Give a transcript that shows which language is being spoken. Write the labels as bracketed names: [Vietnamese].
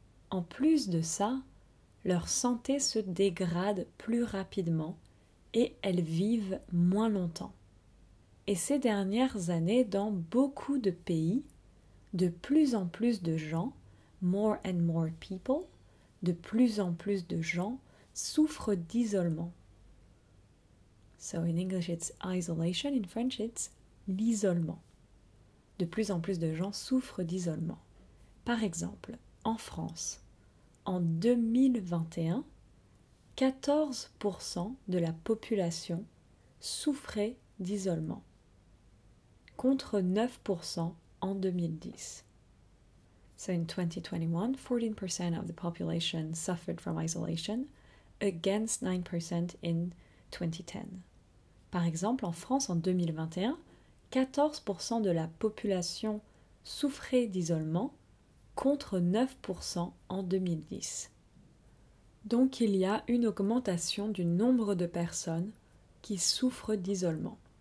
[French] En plus de ça, leur santé se dégrade plus rapidement et elles vivent moins longtemps. Et ces dernières années, dans beaucoup de pays, de plus en plus de gens, [English] more and more people, [French] de plus en plus de gens souffrent d'isolement. [English] So in English it's isolation, in French it's l'isolement. [French] De plus en plus de gens souffrent d'isolement. Par exemple, en France, en 2021, 14% de la population souffrait d'isolement, contre 9% en 2010. [English] So in 2021, 14% of the population suffered from isolation, against 9% in 2010. [French] Par exemple, en France, en 2021, 14% de la population souffrait d'isolement, contre 9% en 2010. Donc il y a une augmentation du nombre de personnes qui souffrent d'isolement.